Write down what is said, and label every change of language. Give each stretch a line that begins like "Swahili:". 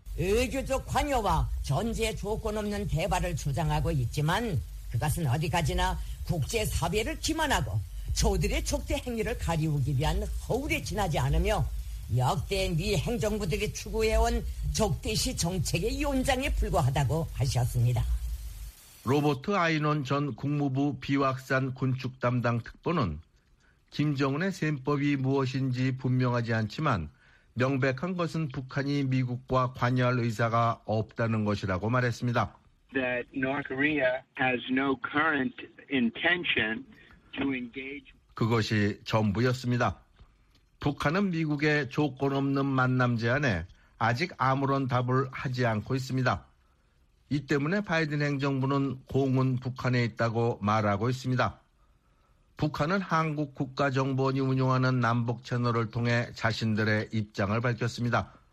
Korean: 의교적 관여와 전제 조건 없는 대화를 주장하고 있지만 그것은 어디까지나 국제사회를 기만하고 조들의 촉대 행위를 가리우기 위한 허울에 지나지 않으며 역대 미 행정부들이 추구해온 적대시 정책의 연장에 불과하다고 하셨습니다. 로버트 아이논 전 국무부 비확산 군축 담당 특보는 김정은의 셈법이 무엇인지 분명하지 않지만 명백한 것은 북한이 미국과 관여할 의사가 없다는 것이라고 말했습니다.
English: That North Korea has no current intention to engage.
Korean: 그것이 전부였습니다. 북한은 미국의 조건 없는 만남 제안에 아직 아무런 답을 하지 않고 있습니다. 이 때문에 바이든 행정부는 공은 북한에 있다고 말하고 있습니다. 북한은 한국 국가정보원이 운영하는 남북 채널을 통해 자신들의 입장을 밝혔습니다.